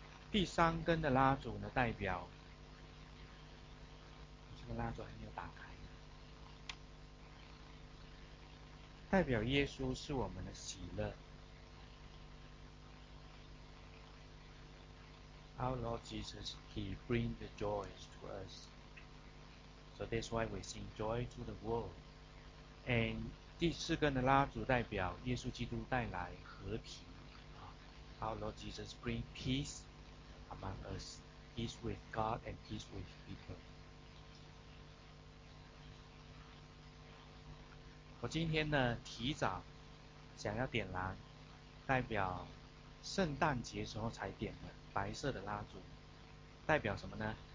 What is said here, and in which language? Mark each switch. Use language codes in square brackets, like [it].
[zh] 第三根的蜡烛呢，代表这个蜡烛还没有打开，代表耶稣是我们的喜乐 ， [en] Our Lord Jesus, He brings the joys to us。 So that's why we sing joy to the world. [zh] And 第四根的蜡烛代表耶稣基督带来和平。 [en] Our Lord Jesus bring peace among us, peace with God and peace with people. [zh] 我今天呢提早想要点燃，代表圣诞节时候才点的白色的蜡烛，代表什么呢？